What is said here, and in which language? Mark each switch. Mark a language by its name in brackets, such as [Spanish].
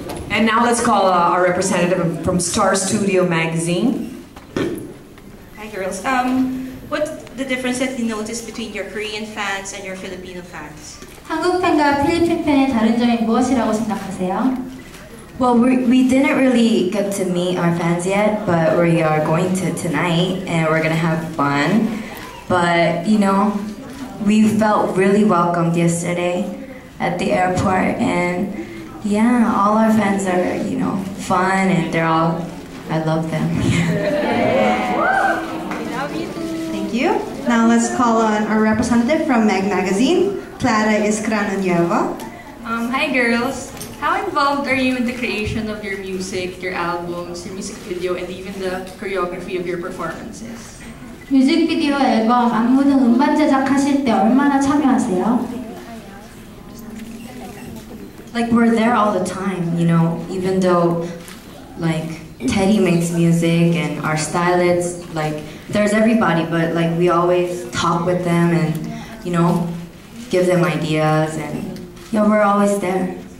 [English] And now let's call our representative from Star Studio Magazine. Hi, girls. What's the difference that you notice between your Korean fans and your Filipino fans? [Korean] 한국 팬과 필리핀 팬의 다른 점이 무엇이라고 생각하세요? [English] Well, we didn't really get to meet our fans yet, but we are going to tonight, and we're gonna have fun. But, you know, we felt really welcomed yesterday at the airport, and yeah, all our fans are, you know, fun, and they're all, I love them. Thank you. Now let's call on our representative from Meg Magazine, Clara Iskrano Nieva. Hi, girls. How involved are you in the creation of your music, your albums, your music video, and even the choreography of your performances? [Korean] 뮤직비디오, 앨범, 안무 등 음반 제작하실 때 얼마나 참여하세요? [English] Like, we're there all the time, you know, even though, like, Teddy makes music and our stylists, like, there's everybody, but, like, we always talk with them and, you know, give them ideas and, yeah, we're always there.